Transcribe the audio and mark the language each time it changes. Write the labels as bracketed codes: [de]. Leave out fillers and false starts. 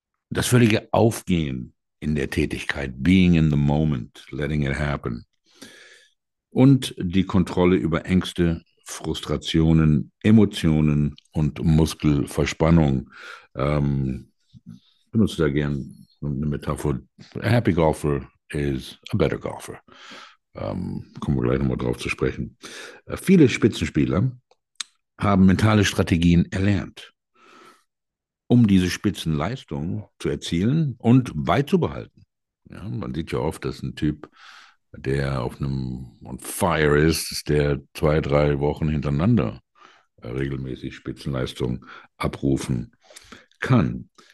[de] Das völlige Aufgehen in der Tätigkeit, [en] being in the moment, letting it happen. [de] Und die Kontrolle über Ängste, Frustrationen, Emotionen und Muskelverspannung. Ich benutze da gern eine Metapher. [en] A happy golfer is a better golfer. [de] Kommen wir gleich nochmal drauf zu sprechen. Viele Spitzenspieler haben mentale Strategien erlernt, um diese Spitzenleistung zu erzielen und beizubehalten. Ja, man sieht ja oft, dass ein Typ, der auf einem on fire ist, der 2, 3 Wochen hintereinander regelmäßig Spitzenleistung abrufen kann.